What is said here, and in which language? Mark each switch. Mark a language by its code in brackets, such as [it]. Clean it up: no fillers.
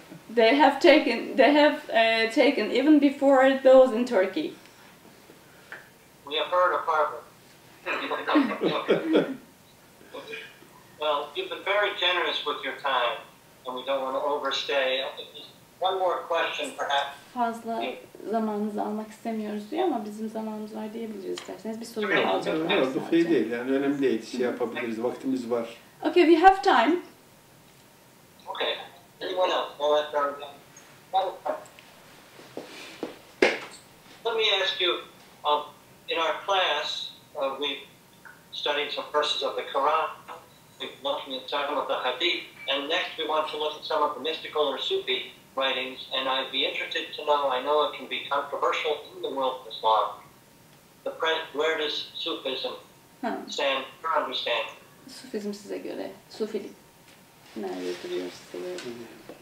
[en] They have taken even before those in Turkey. We have heard of Harvard. Well, you've been very generous with your time, and we don't want to overstay. One more question, perhaps. [tr] Fazla zamanınızı almak istemiyoruz diyor ama bizim zamanımız var diyebiliriz isterseniz. Bir soru daha alacağım. Yok, bu şey değil. Yani önemli değil. Şey yapabiliriz. Vaktimiz var. [en] Okay, we have time. Okay. Anyone else? Let me ask you, in our class, we studied some verses of the Quran. We've looked at some of the Hadith. And next, we want to look at some of the mystical or Sufi writings, and I'd be interested to know, I know it can be controversial in the world of Islam, where does Sufism stand, your understanding? [tr] Sufism size göre, Sufilik nerede duruyor size göre?